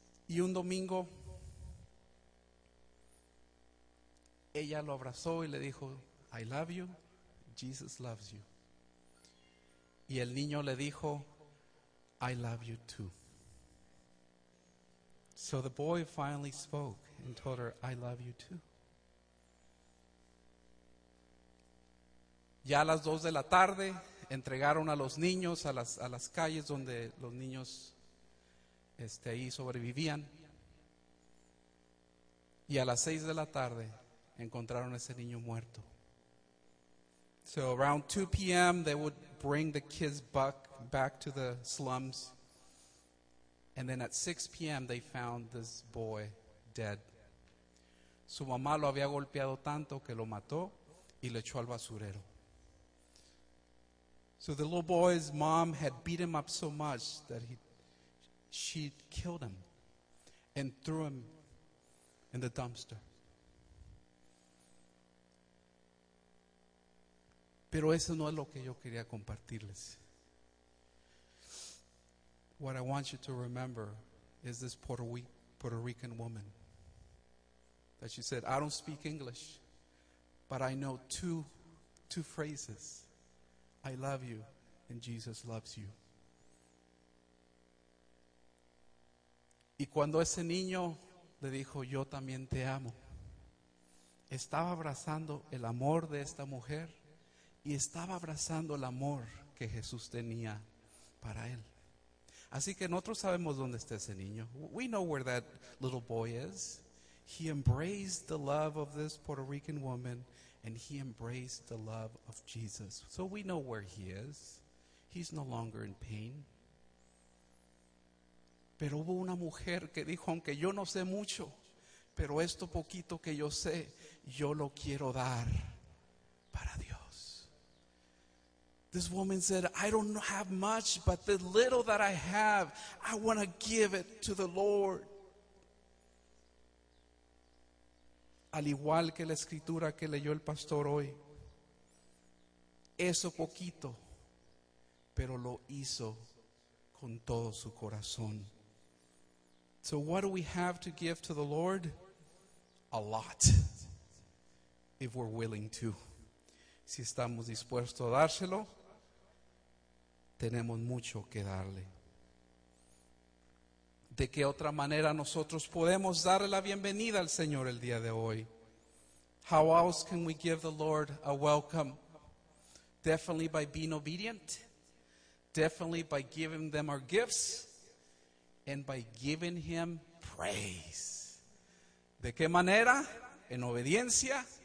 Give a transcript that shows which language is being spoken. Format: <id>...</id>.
<es>Y un domingo, ella lo abrazó y le dijo,</es> <en>I love you, Jesus loves you.</en> <es>Y el niño le dijo,</es> <en>I love you too. So the boy finally spoke and told her, I love you too.</en> <es>Ya a las 2 de la tarde, entregaron a los niños a las calles donde los niños ahí sobrevivían. Y a las 6 de la tarde, encontraron a ese niño muerto.</es> <en>So around 2 p.m., they would bring the kids back to the slums. And then at 6 p.m., they found this boy dead.</en> <es>Su mamá lo había golpeado tanto que lo mató y le echó al basurero.</es> <en>So the little boy's mom had beat him up so much that she killed him and threw him in the dumpster.</en> <es>Pero eso no es lo que yo quería compartirles.</es> <en>What I want you to remember is this Puerto Rican woman that she said, I don't speak English, but I know two phrases. I love you, and Jesus loves you.</en> <es>Y cuando ese niño le dijo, yo también te amo, estaba abrazando el amor de esta mujer y estaba abrazando el amor que Jesús tenía para él. Así que nosotros sabemos dónde está ese niño.</es> <en>We know where that little boy is. He embraced the love of this Puerto Rican woman, and he embraced the love of Jesus. So we know where he is. He's no longer in pain.</en> <es>Pero hubo una mujer que dijo, aunque yo no sé mucho, pero esto poquito que yo sé, yo lo quiero dar para Dios.</es> <en>This woman said, I don't have much, but the little that I have, I want to give it to the Lord.</en> <es>Al igual que la escritura que leyó el pastor hoy, eso poquito, pero lo hizo con todo su corazón.</es> <en>So what do we have to give to the Lord? A lot, if we're willing to.</en> <es>Si estamos dispuestos a dárselo, tenemos mucho que darle. ¿De qué otra manera nosotros podemos darle la bienvenida al Señor el día de hoy?</es> <en>How else can we give the Lord a welcome? Definitely by being obedient. Definitely by giving them our gifts. And by giving him praise.</en> <es>¿De qué manera? En obediencia.</es>